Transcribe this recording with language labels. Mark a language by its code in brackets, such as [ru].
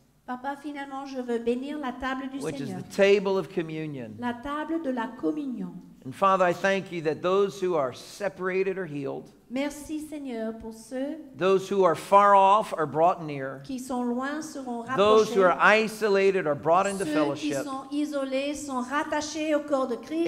[fr] Papa, finalement, je veux bénir la table du [en] which [fr] Seigneur. [en] Is the table of communion. [fr] La table de la communion. [en] And Father, I thank you that those who are separated are healed. [fr] Merci, Seigneur, pour ceux. [en] Those who are far off are brought near. [fr] Qui sont loin seront rapprochés. [en] Those who are isolated are brought into [fr] ceux [en] fellowship. [fr] Ceux qui sont isolés sont rattachés au corps de Christ.